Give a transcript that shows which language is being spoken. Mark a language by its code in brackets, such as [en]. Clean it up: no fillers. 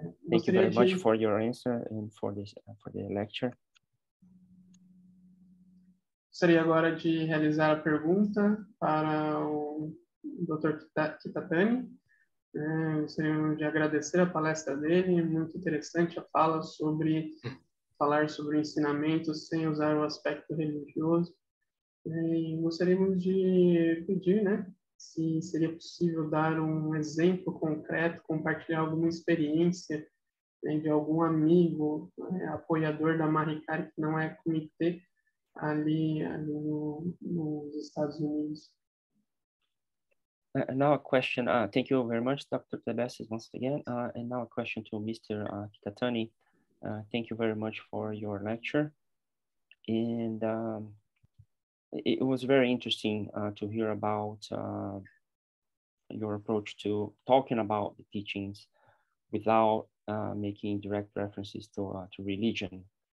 [en] Thank you very much for your answer and for the lecture. [pt] Gostaria agora de realizar a pergunta para o Dr. Kitatani. Gostaria de agradecer a palestra dele, muito interessante a fala sobre falar sobre o ensinamento sem usar o aspecto religioso. Gostaríamos de pedir, né, se seria possível dar um exemplo concreto, compartilhar alguma experiência, né, de algum amigo, né, apoiador da Maricar, que não é comitê ali nos Estados Unidos. [en] Now a question, thank you very much, Dr. Tebecis, once again. And now a question to Mr. Kitatani. Thank you very much for your lecture. And it was very interesting to hear about your approach to talking about the teachings without making direct references to religion.